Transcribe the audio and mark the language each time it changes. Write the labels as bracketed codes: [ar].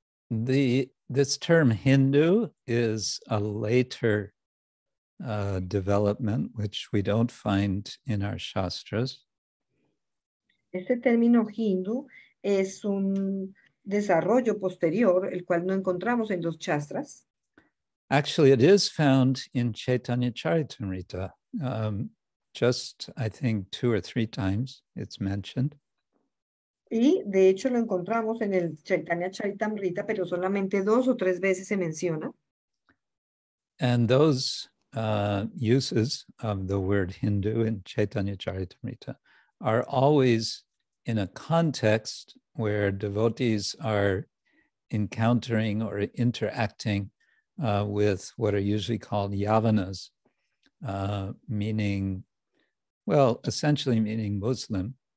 [en] This term Hindu is a later development, which we don't find in our shastras. [es] Este término Hindu es un desarrollo posterior, el cual no encontramos en los shastras. [en] Actually, it is found in Chaitanya Charitamrita. Just, I think, two or three times it's mentioned. [es] Y de hecho lo encontramos en el Chaitanya Charitamrita, pero solamente dos o tres veces se menciona. [en] And those uses of the word Hindu in Chaitanya Charitamrita are always in a context where devotees are encountering or interacting with what are usually called yavanas, essentially meaning Muslim.